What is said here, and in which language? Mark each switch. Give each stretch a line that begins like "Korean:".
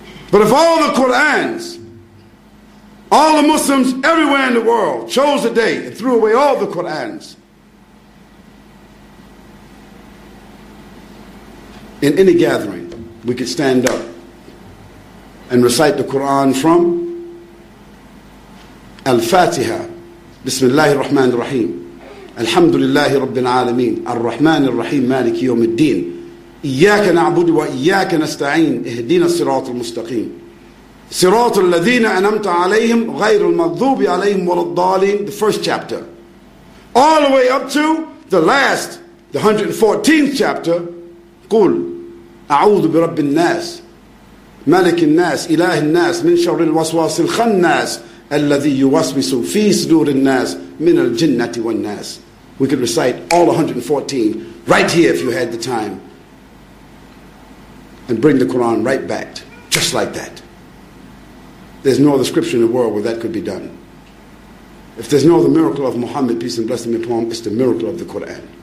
English: But if all the Qurans, all the Muslims everywhere in the world, chose a day and threw away all the Qurans, in any gathering, we could stand up and recite the Quran from Al-Fatiha.
Arabic: بسم الله الرحمن الرحيم الحمد لله رب العالمين الرحمن الرحيم مالك يوم الدين إياك نعبد وإياك نستعين اهدنا الصراط المستقيم صراط الذين أنعمت عليهم غير المغضوب عليهم ولا الضالين.
English: The first chapter all the way up to the last, the 114th chapter.
Arabic: قل أعوذ برب الناس ملك الناس إله الناس من شر الوسواس الخناس الذي يوسوس في صدور الناس من الجنة والناس.
English: We could recite all 114 right here if you had the time, and bring the Quran right back, just like that. There's no other scripture in the world where that could be done. If there's no other miracle of Muhammad, peace and blessing be upon him, it's the miracle of the Quran.